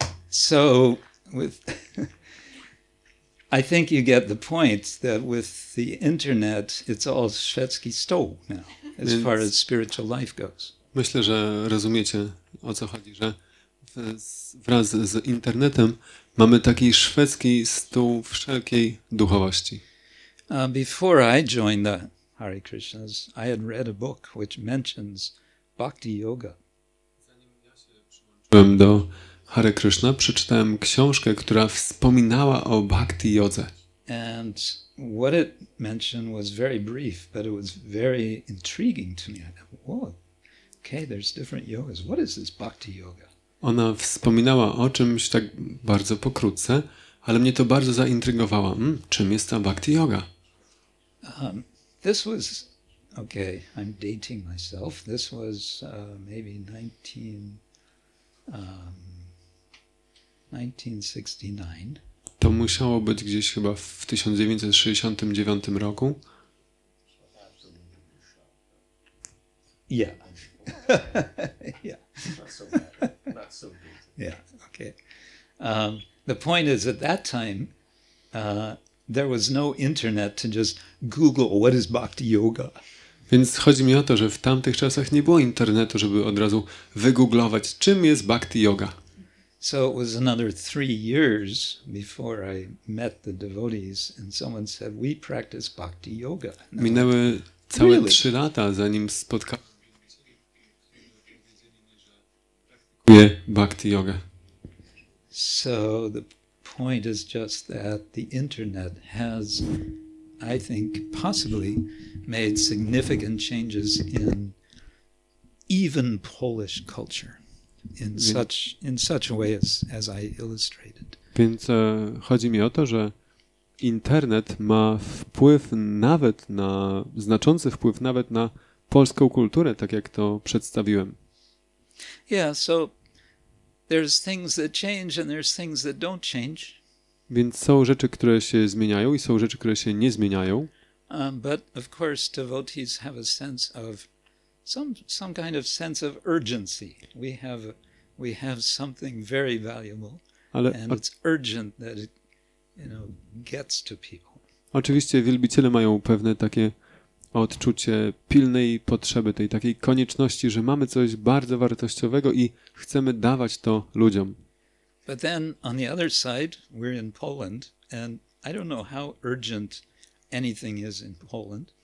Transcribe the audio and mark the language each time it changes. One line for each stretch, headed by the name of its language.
English: So with I think you get the point that with the internet it's all
Polish: Szwedzki stół
English: now, as
Polish: Więc
English: far as spiritual life goes.
Polish: Myślę, że rozumiecie o co chodzi, że wraz z internetem mamy taki szwedzki stół wszelkiej duchowości.
English: Before I joined the Hare Krishnas, I had read a book which mentions bhakti yoga.
Polish: Zanim do Hare Krishna, przeczytałem książkę, która wspominała o bhakti yodze.
English: And what it mentioned was very brief, but it was very intriguing to me. I thought, whoa, okay, there's different yogas. What is this bhakti yoga?
Polish: Ona wspominała o czymś tak bardzo pokrótce, ale mnie to bardzo zaintrygowało. Czym jest ta bhakti yoga?
English: This was okay. I'm dating myself. This was maybe 1969.
Polish: To musiało być gdzieś chyba w 1969 roku.
English: Yeah. Yeah. Not so bad. Yeah. Okay. The point is, at that time, there was no internet to just Google what is bhakti yoga.
Polish: Więc chodzi mi o to, że w tamtych czasach nie było internetu, żeby od razu wygooglować, czym jest bhakti yoga.
English: So it was another 3 years before I met the devotees and someone said, we practice bhakti yoga.
Polish: Minęły całe 3 lata, zanim spotkałem bhakti yoga.
English: So the point is just that the internet has I think, possibly made significant changes in even Polish culture in such a way as I illustrated.
Polish: Więc chodzi mi o to, że internet ma wpływ nawet na, znaczący wpływ nawet na polską kulturę, tak jak to przedstawiłem.
English: Yeah, so there's things that change and there's things that don't change.
Polish: Więc są rzeczy, które się zmieniają i są rzeczy, które się nie zmieniają.
English: But of course devotees have a sense of some kind of sense of urgency. We have something very valuable. Ale, and it's urgent that it, you know, gets to people.
Polish: Oczywiście wielbiciele mają pewne takie odczucie pilnej potrzeby, tej takiej konieczności, że mamy coś bardzo wartościowego i chcemy dawać to ludziom.
English: But then on the other side, we're in Poland and I don't know how urgent anything is in Poland.